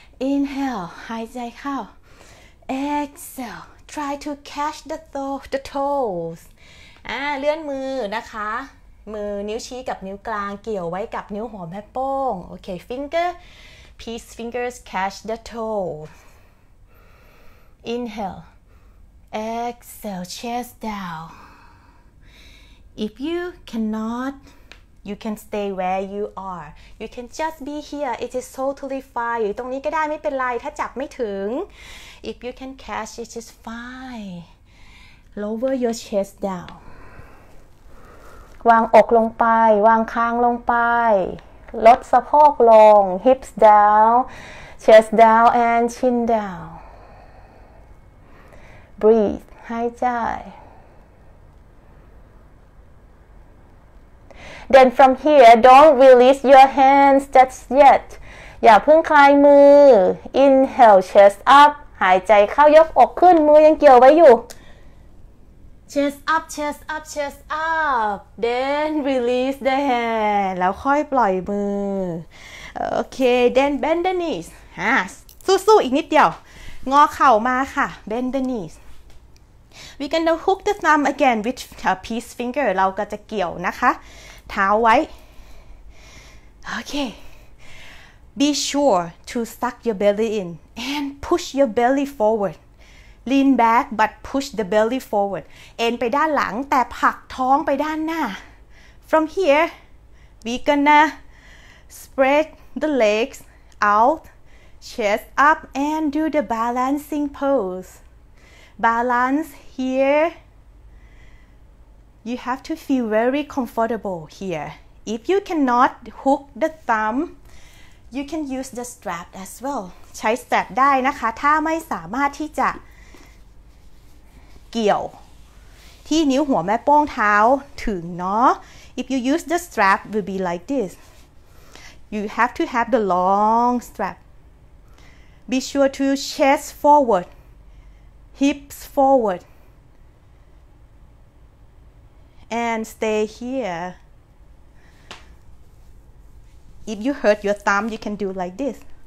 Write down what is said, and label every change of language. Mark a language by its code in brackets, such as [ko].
[en] inhale [th] หายใจเข้า [en] exhale try to catch the toes [th] เลื่อนมือนะคะมือนิ้วชี้กับนิ้วกลางเกี่ยวไว้กับนิ้วหัวแม่โป้งโอเค [en] finger peace fingers catch the toes inhaleExhale, chest down. If you cannot, you can stay where you are. You can just be here. It is totally fine. [th] อยู่ตรงนี้ก็ได้ไม่เป็นไรถ้าจับไม่ถึง [en] If you can catch, it is fine. Lower your chest down. [th] วางอกลงไปวางคางลงไปลดสะโพกลง [en] Hips down, chest down, and chin down. Breathe, [th] หายใจ [en] Then from here, don't release your hands just yet. [th] อย่าเพิ่งคลายมือ [en] Inhale, chest up. [th] หายใจเข้ายกอกขึ้นมือยังเกี่ยวไว้อยู่ [en] Chest up, chest up, chest up. Then release the hand. [th] แล้วค่อยปล่อยมือ [en] Okay, then bend the knees. [th] สู้ๆอีกนิดเดียวงอเข่ามาค่ะ [en] Bend the kneesWe're gonna hook the thumb again with a peace finger. [th] เราก็จะเกี่ยวนะคะเท้าไว้ Okay. [en] Be sure to suck your belly in and push your belly forward. Lean back but push the belly forward. [th] เอนไปด้านหลังแต่ผลักท้องไปด้านหน้า [en] From here, we're gonna spread the legs out, chest up, and do the balancing pose. Balance here. You have to feel very comfortable here. If you cannot hook the thumb, you can use the strap as well. [th] ใช้ strap ได้นะคะถ้าไม่สามารถที่จะเกี่ยวที่นิ้วหัวแม่โป้งเท้าถึงเนาะ [en] If you use the strap, will be like this. You have to have the long strap. Be sure to chest forwardHips forward and stay here. If you hurt your thumb, you can do like this.